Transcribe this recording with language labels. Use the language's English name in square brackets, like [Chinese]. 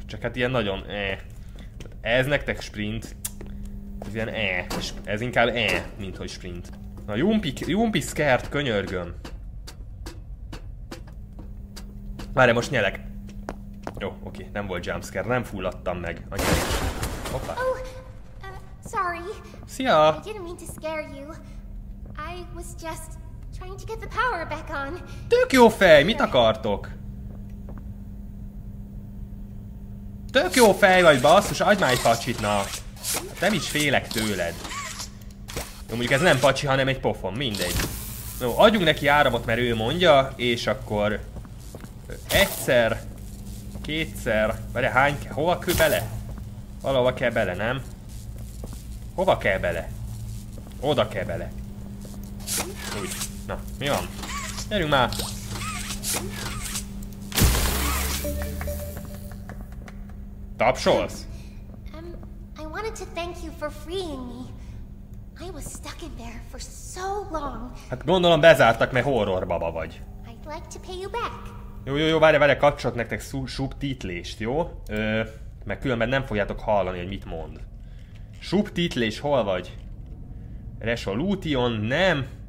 [Hungarian] Csak hát ilyen nagyon Ez nektek sprint. Ez ilyen Ez inkább mint hogy sprint. Na jumpy scared, könyörgöm. Várj, most nyelek. Jó, oké, nem volt jumpscare, nem fulladtam meg. Annyira. Hoppá. [English] Oh, sorry. [Hungarian] Szia! [English] I didn't mean to scare you. I was just trying to get the power back on. [Hungarian] Tök jó fej, mit akartok? Tök jó fej vagy, basszus, adj már egy pacsit, na. Hát nem is félek tőled. Jó, mondjuk ez nem pacsi, hanem egy pofon, mindegy. Jó, adjunk neki áramot, mert ő mondja, és akkor... Egyszer... Kétszer... Várjál, hány kell? Hova kell bele? Valahova kell bele, nem? Hova kell bele? Oda kell bele. Úgy. Na, mi van? Gyerünk már! Tapsolsz? [English] I wanted to thank you for freeing me. I was stuck in there for so long. [Hungarian] Hát gondolom bezártak, mert horror baba vagy. [English] I'd like to pay you back. [Hungarian] Jó, várj, kapcsolat nektek subtitlést, jó? Mert különben nem fogjátok hallani, hogy mit mond. Subtitlés, hol vagy? Resolution, nem.